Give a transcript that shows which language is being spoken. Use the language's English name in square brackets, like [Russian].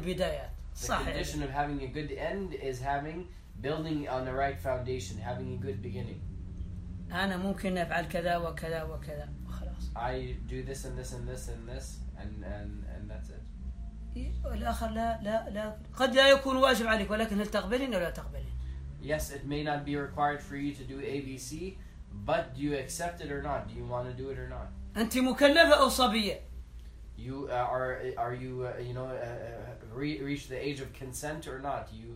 [English] The condition of having a good end is having building on the right foundation, having a good beginning. I do this and this and this and this and that's it. [Arabic] الآخر لا قد لا يكون واجب عليك ولكن هل تقبلين أو لا تقبلين. [English] Yes, it may not be required for you to do ABC, but do you accept it or not? Do you want to do it or not? [Arabic] أنت مكلفة أو صبية. [English] You are you you know reach the age of consent or not?